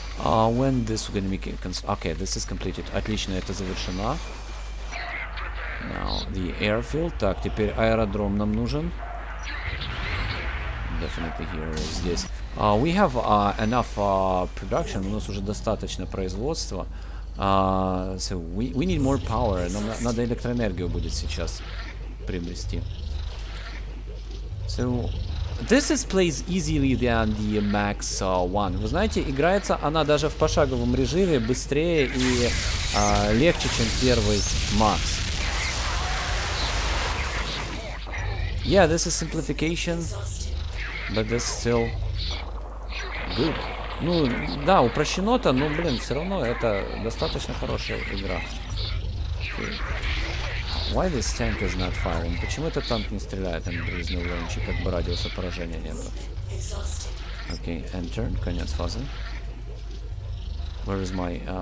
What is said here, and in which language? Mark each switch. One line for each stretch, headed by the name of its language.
English: When this is gonna be okay, this is completed.
Russian: Отлично, это завершено.
English: Now, the airfield.
Russian: Так, теперь аэродром нам нужен.
English: Definitely here is this. We have enough production.
Russian: У нас уже достаточно производства.
English: So we need more power.
Russian: Нам надо электроэнергию будет сейчас приобрести.
English: So this is plays easily than the Max One.
Russian: Вы знаете, играется она даже в пошаговом режиме быстрее и легче, чем первый Max.
English: Yeah, this is simplification, but this still good.
Russian: Ну, да, упрощено-то, но, блин, все равно это достаточно хорошая игра.
English: Okay. Why this tank is not firing?
Russian: Почему этот танк не стреляет, он близный уровень, как бы радиуса поражения не было?
English: Okay, end turn,
Russian: конец фазы.
English: Where is my...